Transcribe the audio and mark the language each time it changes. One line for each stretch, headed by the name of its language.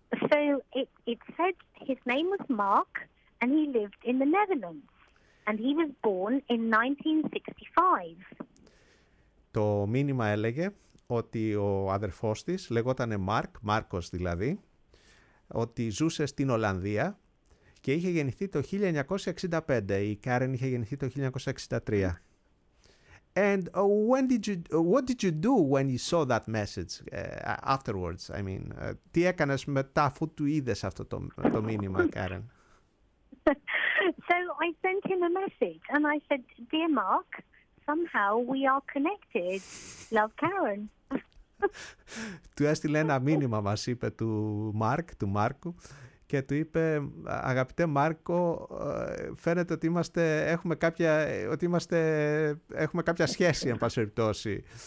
English: So it said his name was Mark and he lived in the Netherlands. And he was born in 1965.
Greek: Το μήνυμα έλεγε ότι ο αδερφός της λεγόταν Mark, Μάρκος δηλαδή, ότι ζούσε στην Ολλανδία και είχε γεννηθεί το 1965. Η Κάρεν είχε γεννηθεί το 1963.
English: And what did you do when you saw that message afterwards? I mean,
Greek: τι έκανες μετά αφού του είδες αυτό το μήνυμα, Κάρεν?
English: So I sent him a message and I said, "Dear Mark, somehow we are connected. Love, Karen."
Greek: Του έστειλε ένα μήνυμα, μας είπε, του Μάρκ, του Μάρκου, και του είπε, αγαπητέ Μάρκο, φαίνεται ότι είμαστε, έχουμε κάποια, ότι είμαστε, έχουμε κάποια σχέση, εν πάση περιπτώσει.